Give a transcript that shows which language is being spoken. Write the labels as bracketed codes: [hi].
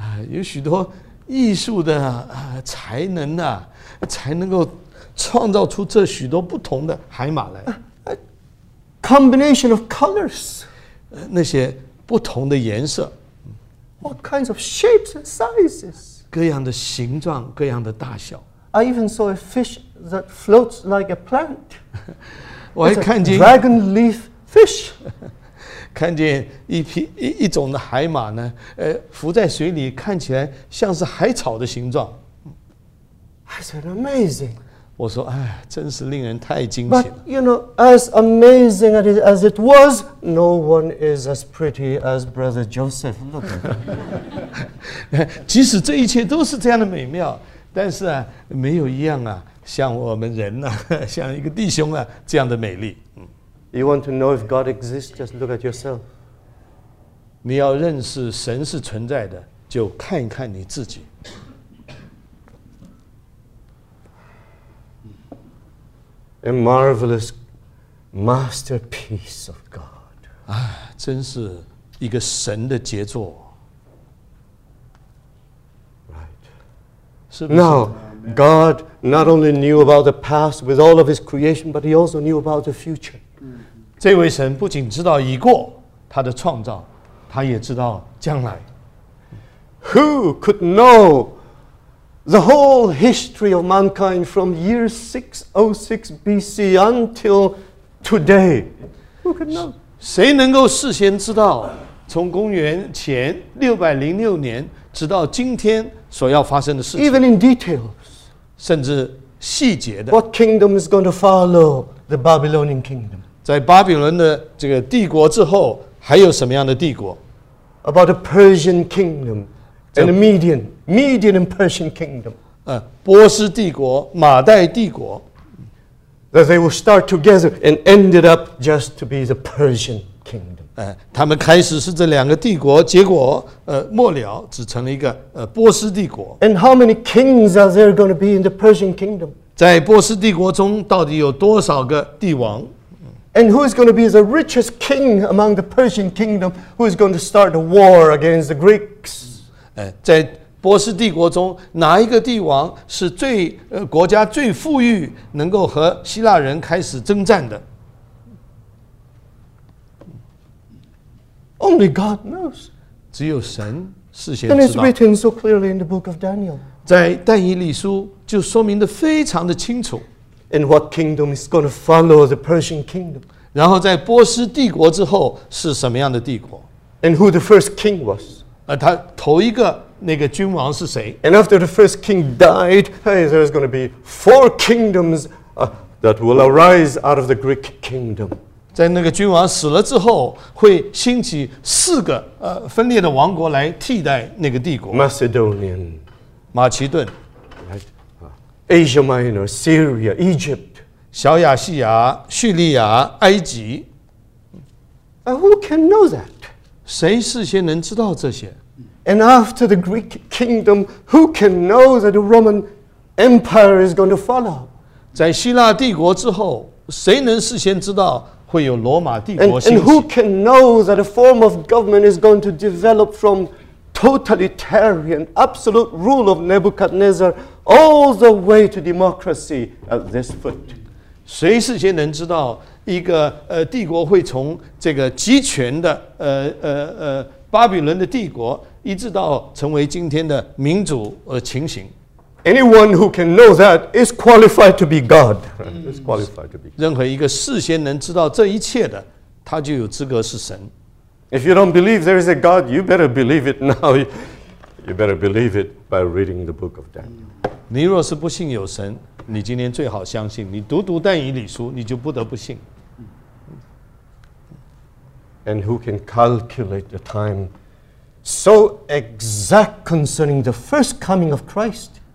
[zh] 有许多艺术的才能啊，才能够创造出这许多不同的海马来。 [en] Combination of colors. [zh] 那些不同的颜色。 [en] What kinds of shapes and sizes? [zh] 各样的形状，各样的大小。 [en] I even saw a fish that floats like a plant. [zh] 我还看见 [en] dragon leaf fish. [zh] 看见一种的海马呢，浮在水里，看起来像是海草的形状。 [en] I said amazing. [zh] 我说，哎，真是令人太惊奇了。 [en] But you know, as amazing as it was, no one is as pretty as Brother Joseph. Look. [zh] 即使这一切都是这样的美妙，但是啊，没有一样啊，像我们人呐、啊，像一个弟兄啊，这样的美丽。 [en] You want to know if God exists? Just look at yourself. [zh] 你要认识神是存在的，就看一看你自己。 [en] A marvelous masterpiece of God. [zh] 啊，真是一个神的杰作。 [en] Right. [zh] 是不是？ [en] Now, God not only knew about the past with all of His creation, but He also knew about the future. [zh] 这位神不仅知道已过他的创造，他也知道将来。 [en] Who could know the whole history of mankind from year 606 BC until today? Who could know? [zh] 谁能够事先知道从公元前606年直到今天所要发生的事情？ [en] Even in details. [zh] 甚至细节的。 [en] What kingdom is going to follow the Babylonian kingdom? [zh] 在巴比伦的这个帝国之后，还有什么样的帝国 [en] ？About the Persian kingdom and the Median and Persian kingdom. [zh] 波斯帝国、马代帝国 [en] ，that they will start together and ended up just to be the Persian kingdom. [zh] 他们开始是这两个帝国，结果末了只成了一个波斯帝国。 [en] And how many kings are there going to be in the Persian kingdom? [zh] 在波斯帝国中，到底有多少个帝王？ [en] And who is going to be the richest king among the Persian kingdom? Who is going to start a war against the Greeks? [zh] 在波斯帝国中，哪一个帝王是最国家最富裕，能够和希腊人开始征战的？ [en] Only God knows. [zh] 只有神事先知道。 [en] And it's written so clearly in the book of Daniel. [zh] 在但以理书就说明的非常的清楚。 [en] And what kingdom is going to follow the Persian kingdom? [zh] 然后在波斯帝国之后是什么样的帝国？ [en] And who the first king was? [zh] 他头一个那个君王是谁？ [en] And after the first king died, hey, there is going to be four kingdoms that will arise out of the Greek kingdom. [zh] 在那个君王死了之后，会兴起四个分裂的王国来替代那个帝国。 [en] Macedonian, [zh] 马其顿。 [en] Asia Minor, Syria, Egypt, [zh] 小亚细亚、叙利亚、埃及。 [en] Who can know that? [zh] 谁事先能知道这些？ [en] And after the Greek kingdom, who can know that the Roman Empire is going to follow? [zh] 在希腊帝国之后，谁能事先知道会有罗马帝国兴起？ [en] And who can know that a form of government is going to develop from totalitarian, absolute rule of Nebuchadnezzar? All the way to democracy at this foot. [zh] 谁事先能知道一个帝国会从这个集权的巴比伦的帝国，一直到成为今天的民主情形 [en] ？Anyone who can know that is qualified to be God. Is qualified to be. [zh] 任何一个事先能知道这一切的，他就有资格是神。 [en] If you don't believe there is a God, you better believe it now. You better believe it by reading the book of Daniel. [zh] 你若是不信有神，你今天最好相信。你读但以理书，你就不得不信。 [en] And who can calculate the time so exact concerning the first coming of Christ?